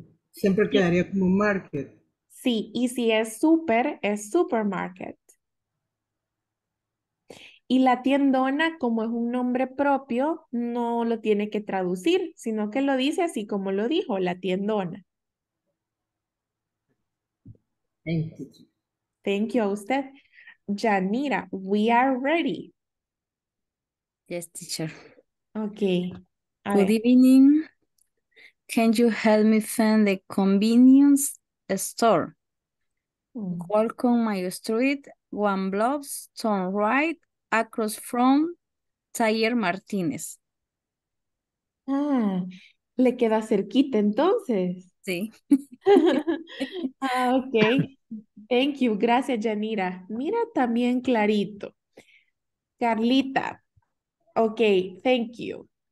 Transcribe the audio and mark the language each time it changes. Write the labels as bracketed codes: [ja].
[es] Siempre quedaría como market. Sí, y si es súper, es supermarket. Y la tiendona, como es un nombre propio, no lo tiene que traducir, sino que lo dice así como lo dijo, la tiendona. [en] Thank you. Thank you [es] a usted. [en] Yanira, we are ready. Yes, teacher. Okay. All Good right. evening. Can you help me find the convenience store? Walk on my street, one block, turn right, across from Taller Martínez. [es] Ah, le queda cerquita entonces. Sí. [en] Ah, ok. Thank you. [es] Gracias, [en] Yanira. [es] Mira también clarito. Carlita. [en] Ok, thank you.